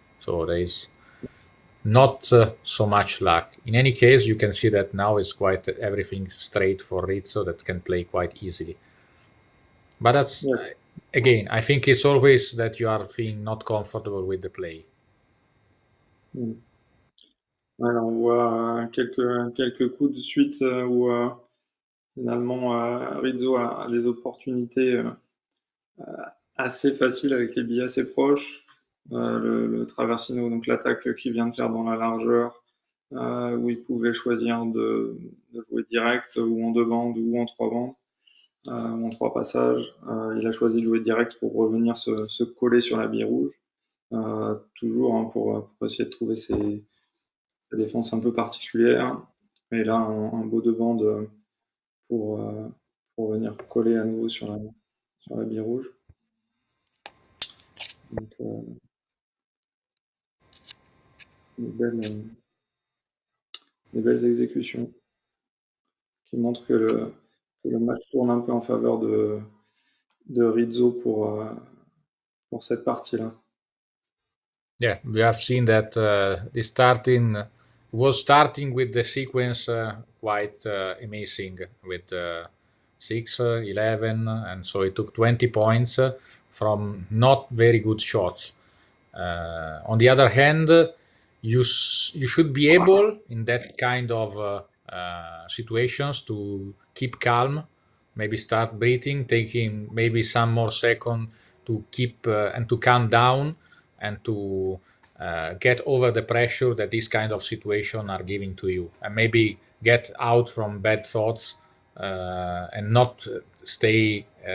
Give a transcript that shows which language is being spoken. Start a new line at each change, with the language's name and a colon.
English: So there is not so much luck. In any case, you can see that now it's quite everything straight for Rizzo, that can play quite easily. But that's, again, I think it's always that you are feeling not comfortable with the play. Mm.
French: Alors, on voit quelques coups de suite où finalement Rizzo a des opportunités assez faciles avec les billes assez proches. Le traversino, donc l'attaque qu'il vient de faire dans la largeur, où il pouvait choisir de jouer direct ou en deux bandes ou en trois bandes, ou en trois passages. Il a choisi de jouer direct pour revenir se coller sur la bille rouge, toujours hein, pour essayer de trouver sa défense un peu particulière. Et là, un beau deux bandes pour venir coller à nouveau sur la bille rouge. Donc, des belles exécutions qui montrent que le match tourne un peu en faveur de Rizzo pour cette partie là.
English: Yeah, we have seen that starting with the sequence quite amazing with 6, 11, and so it took 20 points from not very good shots. On the other hand, you should be able in that kind of situations to keep calm, maybe start breathing, taking maybe some more seconds to keep and to calm down and to get over the pressure that this kind of situation are giving to you, and maybe get out from bad thoughts and not stay